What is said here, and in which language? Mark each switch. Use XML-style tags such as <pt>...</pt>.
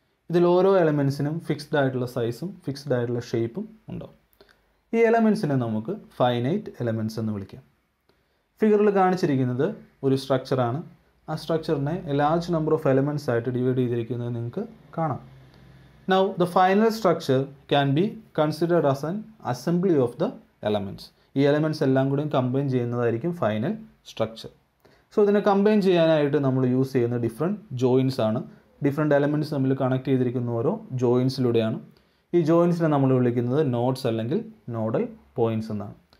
<ml>ഇതിൽ ഓരോ എലമെൻസിനും ഫിക്സ്ഡ് ആയിട്ടുള്ള സൈസും ഫിക്സ്ഡ് ആയിട്ടുള്ള ഷേപ്പും ഉണ്ടാവും. ഈ എലമെൻസിനെ നമുക്ക് ഫൈനൈറ്റ് എലമെൻറ്റ്സ് എന്ന് വിളിക്കാം. ഫിഗറിൽ കാണിച്ചിരിക്കുന്നത് ഒരു സ്ട്രക്ചറാണ്. ആ സ്ട്രക്ചറിനെ A large number of elements ആയിട്ട് ഡിവൈഡ് ചെയ്തിരിക്കുന്നത് നിങ്ങൾക്ക് കാണാം.</ml> <en>Now, the final structure can be considered as an assembly of the elements.</en> <ml>ഈ എലമെൻറ്റ്സ് എല്ലാം കൂടി കമ്പൈൻ ചെയ്യുന്നതായിരിക്കും ഫൈനൽ സ്ട്രക്ചർ. സോ ഇതിനെ കമ്പൈൻ ചെയ്യാനായിട്ട് നമ്മൾ യൂസ് ചെയ്യുന്ന ഡിഫറെൻറ്റ് ജോയിൻസ് ആണ്. ഡിഫറെൻറ്റ് എലമെൻറ്റ്സ് തമ്മിൽ കണക്ട് ചെയ്തിരിക്കുന്ന ഓരോ ജോയിൻസിലൂടെയാണ്. ഈ ജോയിൻസിനെ നമ്മൾ വിളിക്കുന്നത് നോഡ്സ് അല്ലെങ്കിൽ നോഡൽ പോയിൻറ്സ് എന്നാണ്.</ml>